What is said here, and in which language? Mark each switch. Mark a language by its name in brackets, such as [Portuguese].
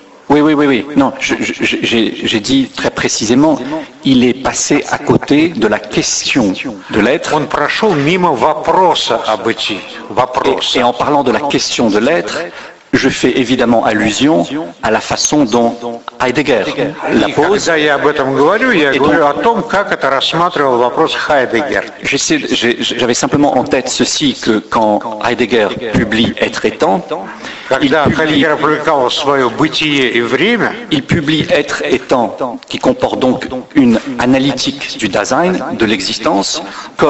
[French] Oui. Non, j'ai dit très précisément, il est passé à côté de la question de l'être. [Russian] Он прошел мимо вопроса о бытии. [French] Et en parlant de la question de l'être, je fais évidemment allusion à la façon dont Heidegger la pose. [Russian] Когда я об этом говорю, я говорю о том, как это рассматривал вопрос Heidegger. [French] J'avais simplement en tête ceci, que quand Heidegger publie Être et Temps, [Russian] когда Heidegger [French] publie [Russian] свое бытие и время, [French] il publie Être et Temps, qui comporte donc une analytique du Dasein, de l'existence, comme...